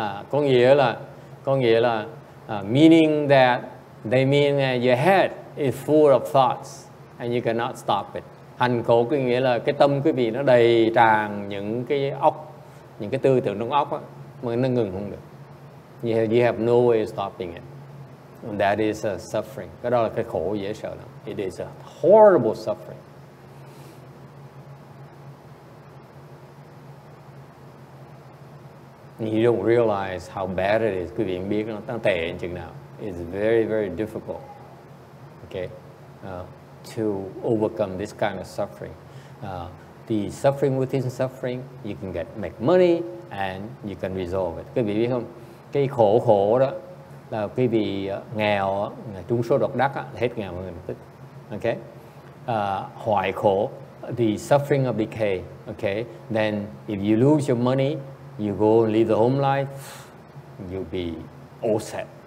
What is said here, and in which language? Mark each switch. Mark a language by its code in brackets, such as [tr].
[vi] Có nghĩa là [en] meaning that they mean that your head is full of thoughts and you cannot stop it. [vi] Hành khổ có nghĩa là cái tâm quý vị nó đầy tràn những cái tư tưởng trong óc á, mà nó ngừng không được. [en] You have no way of stopping it. That is a suffering. [vi] Cái đó là cái khổ dễ sợ lắm. [en] It is a horrible suffering. You don't realize how bad it is. [vi] Quý vị không biết nó tệ đến chừng nào. [en] It's very, very difficult. Okay, to overcome this kind of suffering. The suffering within suffering, you can make money and you can resolve it. [vi] Quý vị biết không? Cái khổ đó. Là quý vị nghèo, trung số độc đắc, hết nghèo mọi người tức. [en] Okay. Hoại khổ, the suffering of decay. Okay. Then if you lose your money, you go and live the home life, you'll be all set.